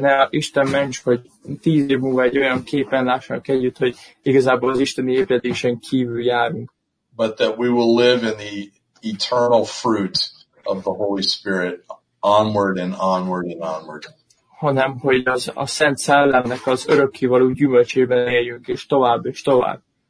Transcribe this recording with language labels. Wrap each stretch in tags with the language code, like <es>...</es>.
<hu>Isten ments, hogy 10 év múlva egy olyan képen lássanak együtt, hogy igazából az isteni ébredésen kívül járunk.</hu> <en>But that we will live in the eternal fruit of the Holy Spirit, onward and onward and onward.</en> <hu>Hanem, hogy az a Szent Szellemnek az örökkévaló gyümölcsében éljünk, és tovább, és tovább.</hu>